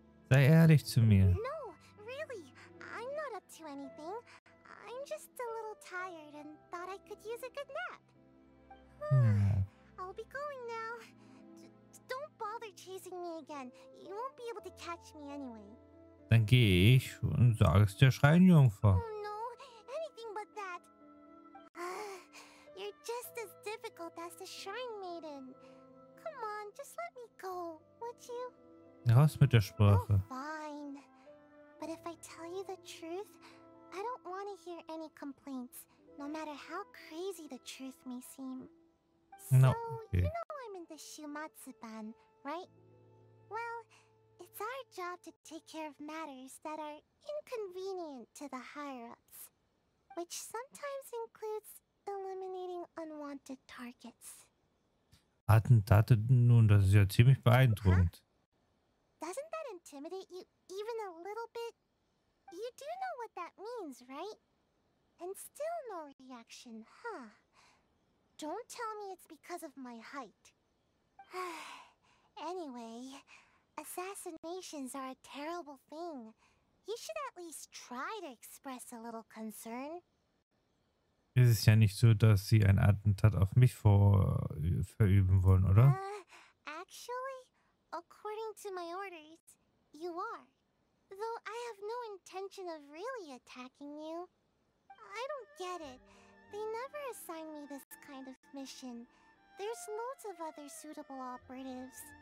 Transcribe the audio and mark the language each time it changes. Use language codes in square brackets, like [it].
[de] Sei ehrlich zu mir. [en] No, really, I'm not up to anything. I'm just a little tired and thought I could use a good nap. I'll be going now. Don't bother chasing me again. You won't be able to catch me anyway. [de] Dann gehe ich und sage es der Schreinjungfer. [en] Oh no, anything but that. You're just as difficult as the shrine maiden. Come on, just let me go, would you? [de] Raus mit der Sprache. [en] Oh, fine. But if I tell you the truth, I don't want to hear any complaints, no matter how crazy the truth may seem. So, no. Okay. You know I'm in the Shumatsuban, right? Well, it's our job to take care of matters that are inconvenient to the higher-ups, which sometimes includes eliminating unwanted targets. [de] Attentate nun, das ist ja ziemlich beeindruckend. Huh? [en] Doesn't that intimidate you even a little bit? You do know what that means, right? And still no reaction, huh? Don't tell me it's because of my height. Anyway, assassinations are a terrible thing. You should at least try to express a little concern. [de] Es ist ja nicht so, dass sie ein Attentat auf mich verüben wollen, oder? [en] Actually, according to my orders, you are. Though I have no intention of really attacking you. I don't get it. They never assigned me this kind of mission. There's lots of other suitable operatives.